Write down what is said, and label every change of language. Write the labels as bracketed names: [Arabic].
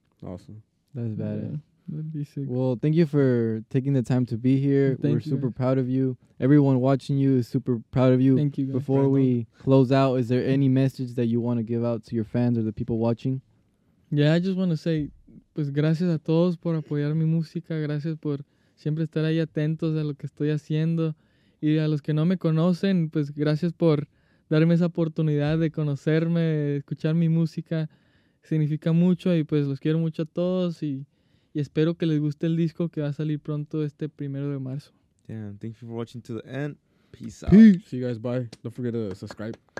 [English] Awesome. That's bad. Yeah. That'd be sick. Well, thank you for taking the time to be here. We're super proud of you. Everyone watching you is super proud of you. Thank you, guys. Before we close out, is there any message that you want to give out to your fans or the people watching? Yeah, I just want to say, [Spanish] pues, gracias a todos por apoyar mi música. Gracias por siempre estar ahí atentos a lo que estoy haciendo. Y a los que no me conocen, pues, gracias por darme esa oportunidad de conocerme, de escuchar mi música. Significa mucho y, pues, los quiero mucho a todos. Y espero que les guste el disco que va a salir pronto este primero de marzo. [English] Damn, thank you for watching to the end. Peace out. See you guys, bye. Don't forget to subscribe.